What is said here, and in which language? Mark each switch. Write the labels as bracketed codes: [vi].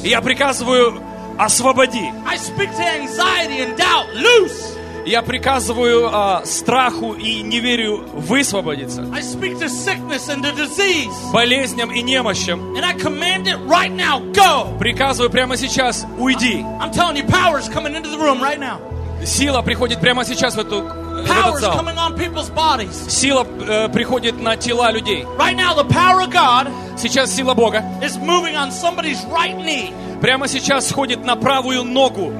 [ru] И я приказываю освободи. [en] I speak to anxiety and doubt. Loose. [ru] Я приказываю страху и неверию высвободиться. [en] I speak to sickness and to disease. [ru] Болезням и немощам. [en] And I command it right now. Go. [ru] Приказываю прямо сейчас, уйди. [en] I'm telling you, power is coming into the room right now. [ru] Сила приходит прямо сейчас в эту [en] Power is coming on people's bodies. [ru] Сила приходит на тела людей. [en] Right now, the power of God. [ru] Сейчас сила Бога. [en] Is moving on somebody's right knee. [ru] Прямо сейчас сходит на правую ногу.